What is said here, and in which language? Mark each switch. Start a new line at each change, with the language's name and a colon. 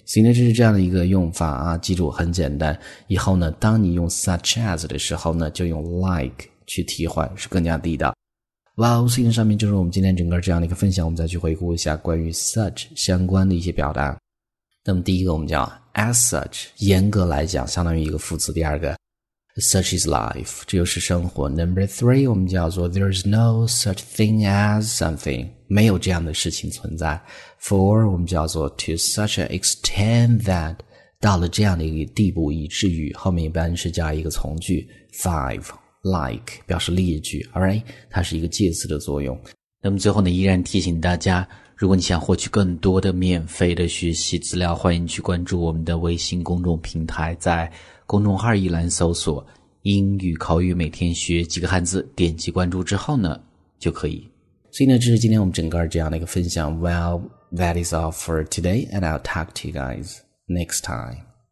Chinese: 所以呢这是这样的一个用法啊，记住很简单。以后呢当你用 such as 的时候呢就用 like 去替换，是更加地道。哇，所以上面就是我们今天整个这样的一个分享，我们再去回顾一下关于 such 相关的一些表达。那么第一个我们叫 as such， 严格来讲相当于一个副词。第二个 such is life， 这就是生活。
English: Number three
Chinese: 我们叫做 there's no such thing as something， 没有这样的事情存在。 Four 我们叫做 to such an extent that，到了这样的一个地步，以至于后面一般是加一个从句 five like 表示列举
English: alright
Chinese: 它是一个介词的作用。那么最后呢，依然提醒大家，如果你想获取更多的免费的学习资料，欢迎去关注我们的微信公众平台，在公众号一栏搜索英语口语每天学几个汉字，点击关注之后呢就可以。所以呢，这是今天我们整个这样的一个分享。
English: Well, that is all for today, and I'll talk to you guys next time.